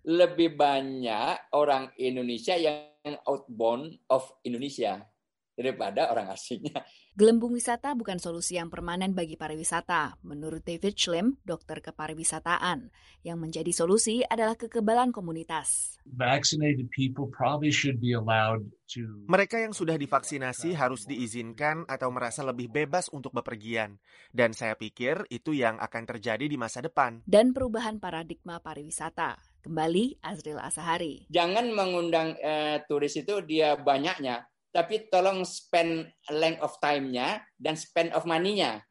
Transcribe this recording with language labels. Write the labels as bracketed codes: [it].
[id] lebih banyak orang Indonesia yang [en] outbound of Indonesia [id] daripada orang asingnya. Gelembung wisata bukan solusi yang permanen bagi pariwisata. Menurut David Schlim, dokter kepariwisataan, yang menjadi solusi adalah kekebalan komunitas. [en] Vaccinated people probably should be allowed to... [id] Mereka yang sudah divaksinasi harus diizinkan atau merasa lebih bebas untuk bepergian. Dan saya pikir itu yang akan terjadi di masa depan. Dan perubahan paradigma pariwisata. Kembali, Azril Asahari. Jangan mengundang turis itu dia banyaknya, tapi tolong [en] spend length of time- [id] nya dan [en] spend of money- [id] nya.